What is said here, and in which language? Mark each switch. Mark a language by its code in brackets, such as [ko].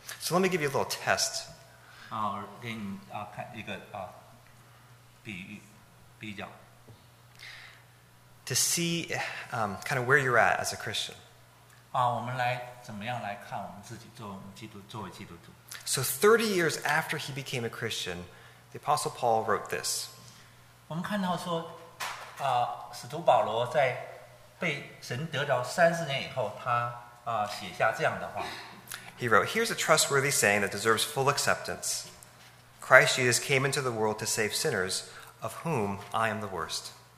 [en] So let me give you a little test. [zh] 给你看一个比较。 [en] To see kind of where you're at as a Christian. [zh] 我们来怎么样来看我们自己作为基督徒。 [en] So 30 years after he became a Christian, the Apostle Paul wrote this. [zh] 我们看到说使徒保罗在被神得着30年以后他写下这样的话。 [en] He wrote, "Here's a trustworthy saying that deserves full acceptance. Christ Jesus came into the world to save sinners, of whom I am the worst."